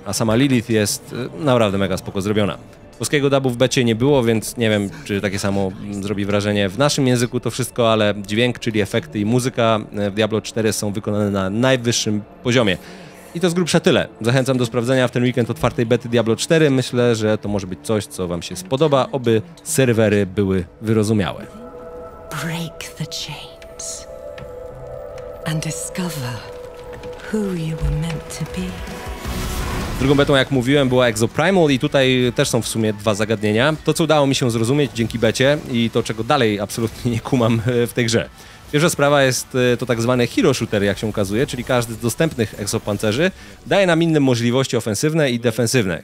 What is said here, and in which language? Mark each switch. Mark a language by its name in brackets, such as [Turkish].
[Polish] A sama Lilith jest naprawdę mega spoko zrobiona. Polskiego dubu w becie nie było, więc nie wiem, czy takie samo zrobi wrażenie w naszym języku to wszystko, ale dźwięk, czyli efekty i muzyka w Diablo 4 są wykonane na najwyższym poziomie. I to z grubsza tyle. Zachęcam do sprawdzenia w ten weekend otwartej bety Diablo 4. Myślę, że to może być coś, co wam się spodoba, oby serwery były wyrozumiałe. [English] Break the chains and discover who you were meant to be. [Polish] Drugą betą, jak mówiłem, była Exoprimal i tutaj też są w sumie dwa zagadnienia. To, co udało mi się zrozumieć dzięki becie i to, czego dalej absolutnie nie kumam w tej grze. Pierwsza sprawa jest to tak zwany hero shooter, jak się ukazuje, czyli każdy z dostępnych egzopancerzy daje nam inne możliwości ofensywne i defensywne.